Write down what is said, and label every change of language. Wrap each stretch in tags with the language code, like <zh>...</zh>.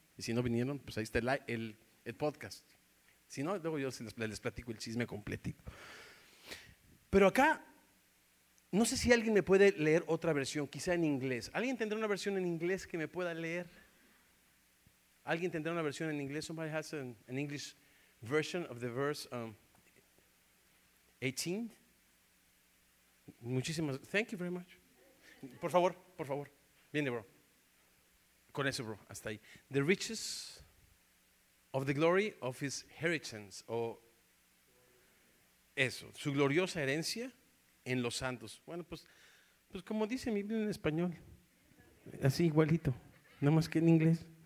<es>Y si no vinieron, pues ahí está el podcast. Si no, luego yo les platico el chisme completito. Pero acá, no sé si alguien me puede leer otra versión, quizá en inglés. ¿Alguien tendrá una versión en inglés que me pueda leer? ¿Alguien tendrá una versión en inglés?</es> <en>Somebody has an English version of the verse 18.</en> <es>Muchísimas.</es> <en>Thank you very much.</en> <es>Por favor. Viene, bro. Con eso, bro. Hasta ahí.</es> <en>The riches of the glory of his inheritance.</en> <es>O eso. Su gloriosa herencia en los santos. Bueno, pues como dice mi Biblia en español. Así, igualito. Nada más que en inglés.</es>